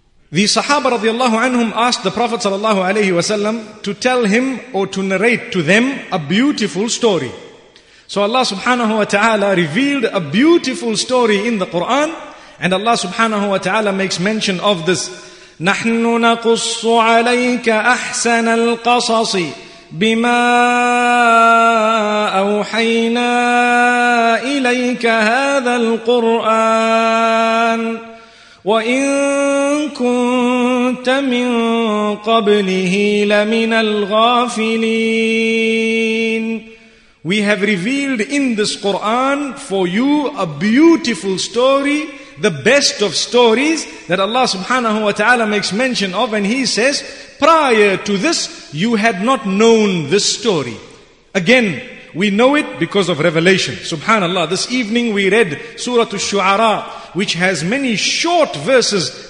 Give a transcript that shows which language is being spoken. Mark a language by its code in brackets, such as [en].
[en] The Sahaba radiallahu anhum asked the Prophet sallallahu alayhi wasallam to tell him or to narrate to them a beautiful story. So Allah subhanahu wa ta'ala revealed a beautiful story in the Quran, and Allah subhanahu wa ta'ala makes mention of this. [ar] نحن نقص عليك أحسن القصص بما أوحينا إليك هذا القرآن وإن كنت من قبله لمن الغافلين. [en] We have revealed in this Quran for you a beautiful story, the best of stories, that Allah subhanahu wa ta'ala makes mention of, and he says, prior to this, you had not known this story. Again, we know it because of revelation. Subhanallah, this evening we read Surah Al-Shu'ara, which has many short verses.